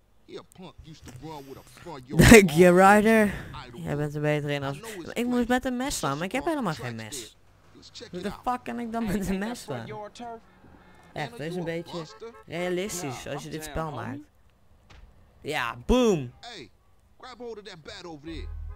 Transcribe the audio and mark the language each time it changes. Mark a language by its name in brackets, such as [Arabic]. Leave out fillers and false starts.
[English] He a punk used to run with a front yard. Thank you, Ryder. [Dutch] Jij bent er beter in als... Ik moest met een mes slaan, maar ik heb helemaal geen mes. Hoe de fuck kan ik dan met een mes slaan? Echt, dat is een beetje realistisch als je dit spel maakt. Ja, boom! [English] Hey, grab hold of that bat over there.